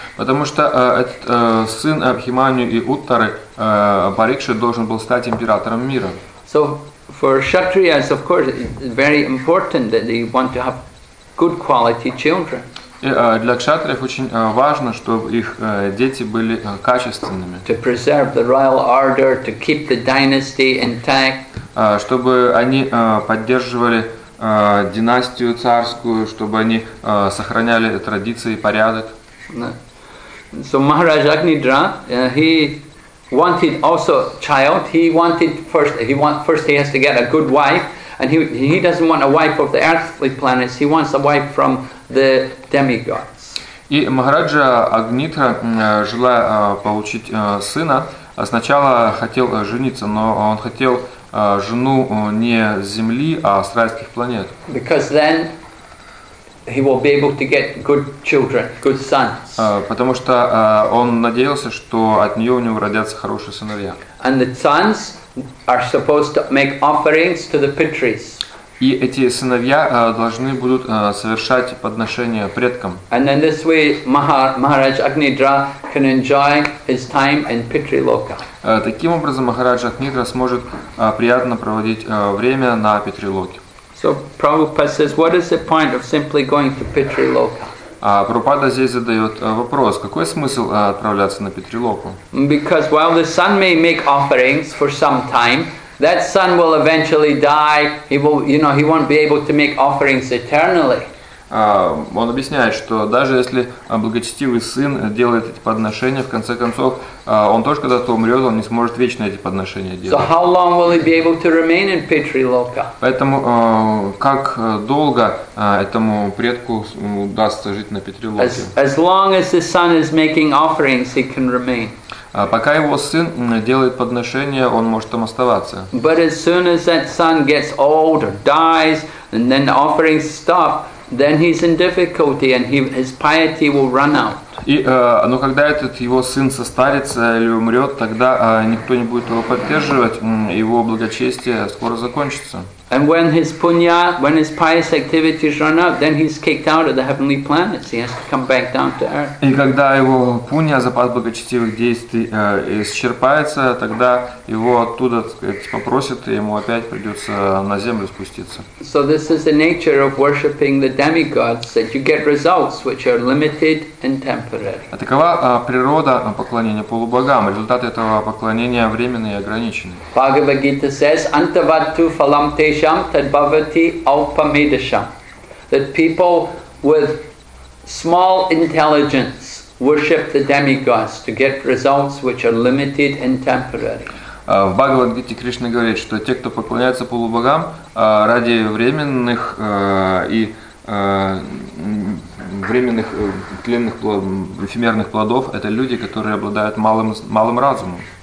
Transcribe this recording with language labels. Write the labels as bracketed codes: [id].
[ru] Потому что этот сын Абхиманю и Уттары, Парикшит, должен был стать императором мира. [en] So for Kshatriyas, of course, it's very important that they want to have good quality children. [ru] И для кшатриев очень важно, чтобы их дети были качественными. [en] To preserve the royal order, to keep the dynasty intact. [ru] Чтобы они поддерживали династию царскую, чтобы они сохраняли традиции и порядок. [en] So Maharaj Agnidra, he wanted also child. He wanted first he has to get a good wife, and he doesn't want a wife of the earthly planets. He wants a wife from the demigods. [ru] И Махараджа Агнитра, желая получить сына, сначала хотел жениться, но он хотел жену не с земли, а с райских планет. [en] Because then he will be able to get good children, good sons. [ru] Потому что он надеялся, что от нее у него родятся хорошие сыновья. [en] And the sons are supposed to make offerings to the Pitris. [ru] И эти сыновья должны будут совершать подношения предкам. [en] And in this way, Maharaj Agnidra can enjoy his time in Pitriloka. [ru] Таким образом, Махарадж Агнидра сможет приятно проводить время на Питрилоке. [en] So Prabhupada says, what is the point of simply going to Pitriloka? [ru] Прабхупада здесь задает вопрос, какой смысл отправляться на Питрилоку? [en] Because while the son may make offerings for some time, that son will eventually die. He will, you know, he won't be able to make offerings eternally. [ru] Он объясняет, что даже если благочестивый сын делает эти подношения, в конце концов, он тоже когда-то умрет, он не сможет вечно эти подношения делать. [en] So how long will he be able to remain in Pitriloka? [ru] Поэтому как долго этому предку удастся жить на Питрилоке? [en] As long as the son is making offerings, he can remain. Пока его сын делает подношения, он может там оставаться. But as soon as that son gets old or dies, and then the offerings stop, then he's in difficulty and his piety will run out. [ru] И, но когда этот его сын состарится или умрет, тогда никто не будет его поддерживать, его благочестие скоро закончится. [en] And when his punya, when his pious activities run out, then he's kicked out of the heavenly planets. He has to come back down to earth. [ru] И когда его пунья, запас благочестивых действий исчерпается, тогда его оттуда, так сказать, попросят, и ему опять придется на землю спуститься. [en] So this is the nature of worshipping the demigods, that you get results which are limited and temporary. [ru] А такова природа поклонения полубогам. Результаты этого поклонения временные и ограничены. [en] Bhagavad Gita says, [sa] antavattu phalam te [en] that people with small intelligence worship the demigods to get results which are limited and temporary. [ru] В Бхагавад-гите Кришна говорит, что те, кто поклоняется полубогам ради временных и временных тленных эфемерных плодов, это люди, которые обладают малым разумом.